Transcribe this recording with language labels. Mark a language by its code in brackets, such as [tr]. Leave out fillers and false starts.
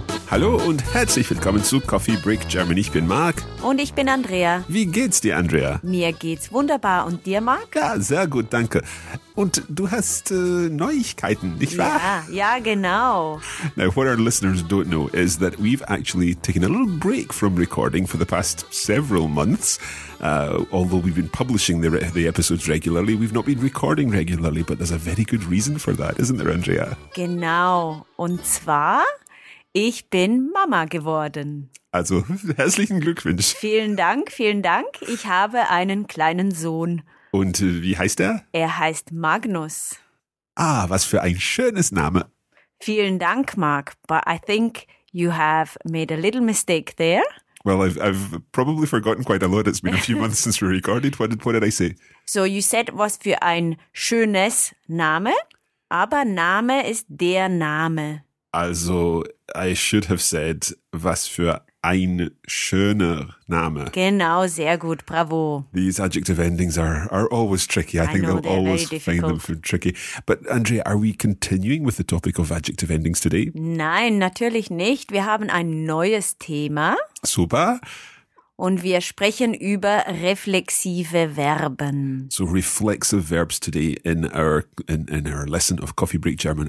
[de] Hallo und herzlich willkommen zu Coffee Break German. Ich bin Marc. Und ich bin Andrea. Wie geht's dir, Andrea? Mir geht's wunderbar. Und dir, Marc? Ja, sehr gut, danke. Und du hast Neuigkeiten, nicht wahr? Ja, genau. [en] Now, what our listeners don't know is that we've actually taken a little break from recording for the past several months. Although we've been publishing the episodes regularly, we've not been recording regularly. But there's a very good reason for that, isn't there, Andrea? [de] Genau. Und zwar... Ich bin Mama geworden. Also, herzlichen Glückwunsch. Vielen Dank, vielen Dank. Ich habe einen kleinen Sohn. Und wie heißt er? Er heißt Magnus. Ah, was für ein schönes Name. Vielen Dank, Marc. [en] But I think you have made a little mistake there. Well, I've probably forgotten quite a lot. It's been a few months since we recorded. What did I say? So, you said [de] was für ein schönes Name, aber Name ist der Name. [en] Also, I should have said, [de] was für ein schöner Name. Genau, sehr gut, bravo. [en] These adjective endings are always tricky. I think they'll always find them tricky. But Andrea, are we continuing with the topic of adjective endings today? [de] Nein, natürlich nicht. Wir haben ein neues Thema. Super. Und wir sprechen über reflexive Verben. [en] So reflexive verbs today in our lesson of Coffee Break German.